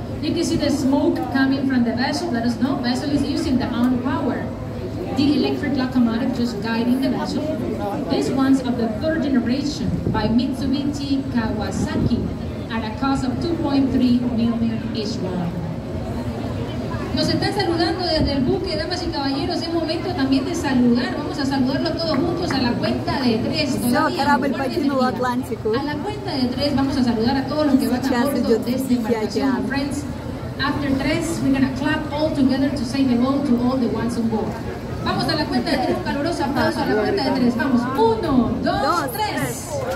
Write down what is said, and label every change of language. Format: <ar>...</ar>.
<en>You can see the smoke coming from the vessel. Let us know. Vessel is using the on power. The electric locomotive just guiding the vessel. This one's of the third generation by Mitsubishi Kawasaki at a cost of 2.3 million.</en> <es>Nos están saludando desde el buque, damas y caballeros. Es momento también de saludar. Vamos a saludarlo todos juntos a la cuenta de tres. A la cuenta de tres vamos a saludar a todos los que van a bordo de esta embarcación.</es> <en>Friends, after tres, we're going to clap all together to say hello to all the ones on board.</en> <es>Vamos a la cuenta de tres, un caluroso aplauso a la cuenta de tres. Vamos, uno, dos, tres.</es>